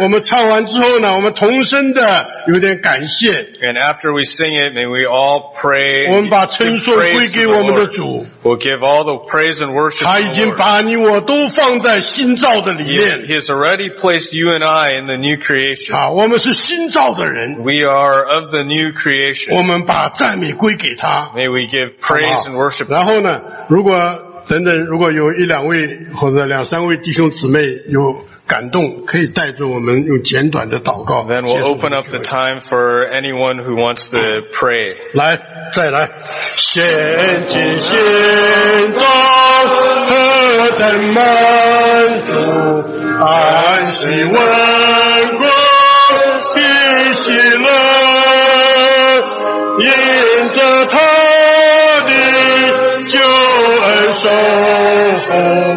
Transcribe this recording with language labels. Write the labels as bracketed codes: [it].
[zh] 我们唱完之后呢，我们同声的有点感谢。 [en] And after we sing it, may we all pray. [zh] 我们把称颂归给我们的主。 [en] We'll give all the praise and worship. [zh] 他已经把你我都放在新造的里面。 [en] He has already placed you and I in the new creation. [zh] 啊，我们是新造的人。 [en] We are of the new creation. [zh] 我们把赞美归给他。 [en] May we give praise and worship. [zh] 然后呢，如果等等，如果有一两位或者两三位弟兄姊妹有感动，可以带着我们用简短的祷告。 [en] Then we'll open up the time for anyone who wants to pray. [zh] 来，再来，献祭献祷，何等满足，安息稳固的喜乐，因着他的救恩受。